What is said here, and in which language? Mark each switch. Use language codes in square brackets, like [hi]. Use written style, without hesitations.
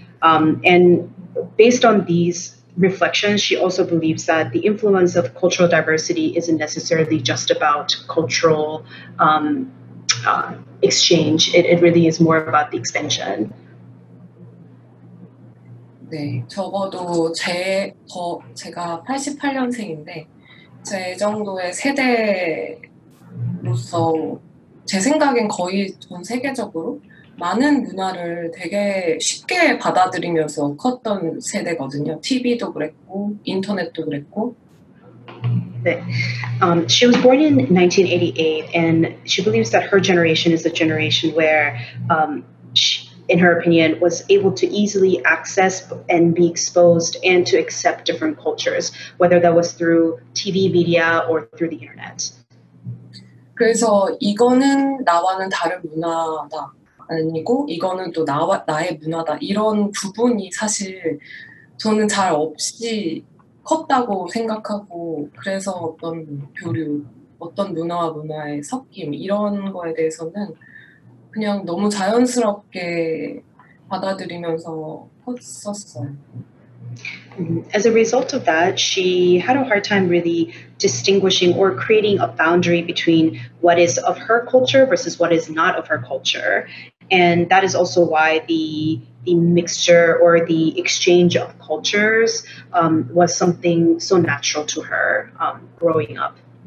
[en] And based on these reflections, she also believes that the influence of cultural diversity isn't necessarily just about cultural exchange. It really is more about the extension. [ko] 네, 적어도 제가 88년생인데 제 정도의 세대로서 제 생각엔 거의 전 세계적으로 많은 문화를 되게 쉽게 받아들이면서 컸던 세대거든요. TV도 그랬고 인터넷도 그랬고. [en] She was born in 1988, and she believes that her generation is a generation where in her opinion, was able to easily access and be exposed and to accept different cultures, whether that was through TV media or through the internet. [ko] 그래서 이거는 나와는 다른 문화다 아니고 이거는 또 나와 나의 문화다 이런 부분이 사실 저는 잘 없이 컸다고 생각하고 그래서 어떤 교류 어떤 문화와 문화의 섞임 이런 거에 대해서는 그냥 너무 자연스럽게 받아들이면서 컸었어요. [en] As a result of that, she had a hard time really distinguishing or creating a boundary between what is of her culture versus what is not of her culture. And that is also why the mixture or the exchange of cultures was something so natural to her growing up.